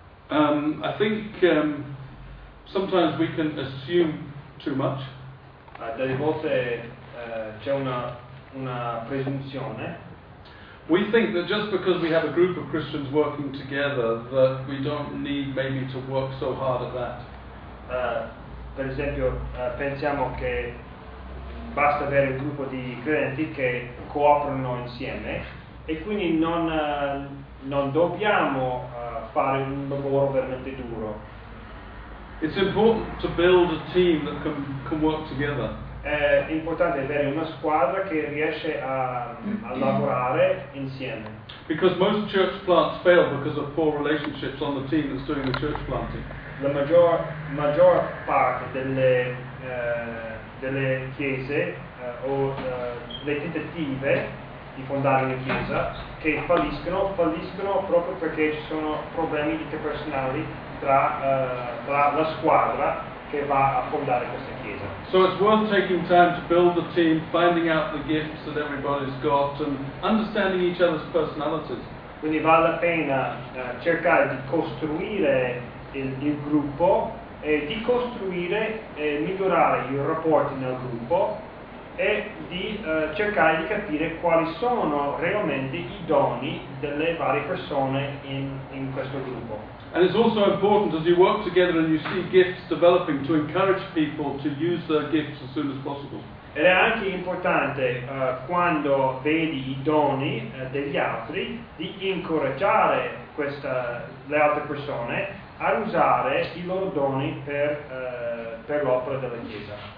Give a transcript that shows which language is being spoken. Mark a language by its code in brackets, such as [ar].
[en] I think sometimes we can assume too much. [it] Delle volte c'è una presunzione. [en] We think that just because we have a group of Christians working together that we don't need maybe to work so hard at that. [it] Per esempio, pensiamo che basta avere un gruppo di credenti che cooperano insieme e quindi non dobbiamo fare un lavoro veramente duro. [en] It's important to build a team that can work together. [it] È importante avere una squadra che riesce a lavorare insieme. [en] Because most church plants fail because of poor relationships on the team that's doing the church planting. [it] La maggior parte delle chiese le tentative di fondare una chiesa che falliscono proprio perché ci sono problemi interpersonali tra la squadra che va a fondare questa chiesa. [en] So it's worth taking time to build the team, finding out the gifts that everybody's got and understanding each other's personalities. [it] Quindi vale la pena cercare di costruire il gruppo e di costruire e migliorare i rapporti nel gruppo e di cercare di capire quali sono realmente i doni delle varie persone in questo gruppo. [en] And it's also important as you work together and you see gifts developing to encourage people to use their gifts as soon as possible. [it] Ed è anche importante quando vedi i doni degli altri di incoraggiare le altre persone a usare i loro doni per l'opera della chiesa.